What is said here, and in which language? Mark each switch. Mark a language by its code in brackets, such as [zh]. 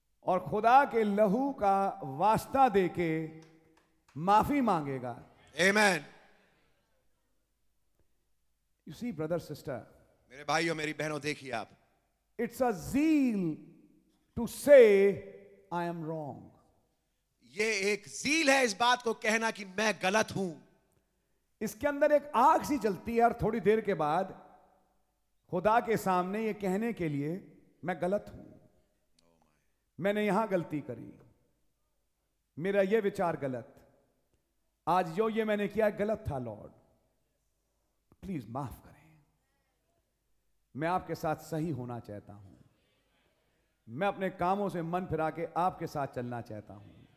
[hi] और खुदा के लहू का वास्ता देके माफी मांगेगा. आमीन. [en] you see brother sister, [hi] मेरे भाइयों मेरी बहनों, देखिए आप. [en] It's a zeal to say I am wrong. [hi] ये एक जील है इस बात को कहना कि मैं गलत हूं. इसके अंदर एक आग सी जलती है और थोड़ी देर के बाद खुदा के सामने ये कहने के लिए मैं गलत हूं, मैंने यहां गलती करी, मेरा ये विचार गलत, आज जो ये मैंने किया गलत था [en] lord, please [hi] माफ करें, मैं आपके साथ सही होना चाहता हूं, मैं अपने कामों से मन फिरा के आपके साथ चलना चाहता हूं.